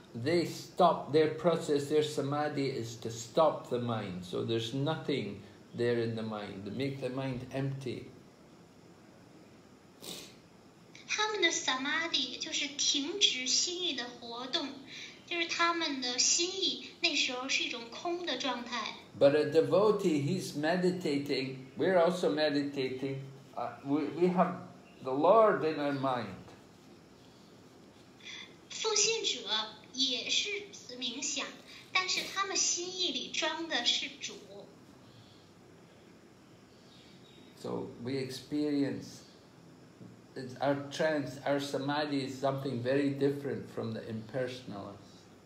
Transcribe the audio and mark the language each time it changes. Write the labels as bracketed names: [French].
[English] They stop their process, their samadhi is to stop the mind. So there's nothing there in the mind, to make the mind empty. [Chinese] 他们的samadhi就是停止心意的活动，就是他们的心意那时候是一种空的状态。 [English] But a devotee, he's meditating, we're also meditating, we have the Lord in our mind. [Chinese] 奉献者也是冥想，但是他们心意里装的是主。 [English] So we experience, it's our trance, our samadhi is something very different from the impersonalist.